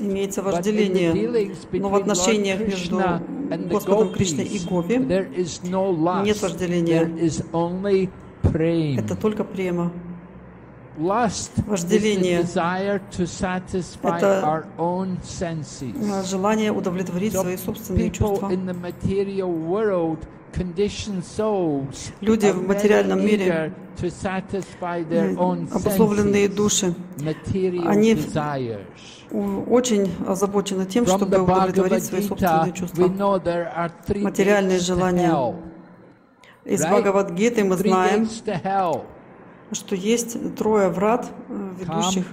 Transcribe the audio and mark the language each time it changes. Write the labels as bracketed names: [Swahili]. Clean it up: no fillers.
[Russian] Имеется вожделение. [English] But in the dealings between Lord Krishna and the gopis, there is no lust. [Russian] Нет вожделения. [English] There is only prema. [Russian] Это только према. [English] Lust is the desire to satisfy our own senses. [Russian] Желание удовлетворить свои собственные чувства. [English] People in the material world, conditioned souls, [Russian] люди в материальном мире, [English] to satisfy their own senses, [Russian] обусловленные души, [English] material desires. [Russian] Очень озабочены тем, чтобы удовлетворить свои собственные чувства. [English] We know there are three gates to hell. [Russian] Из Бхагавад-гиты мы знаем. [English] Three gates to hell. [Russian] Что есть трое врат, ведущих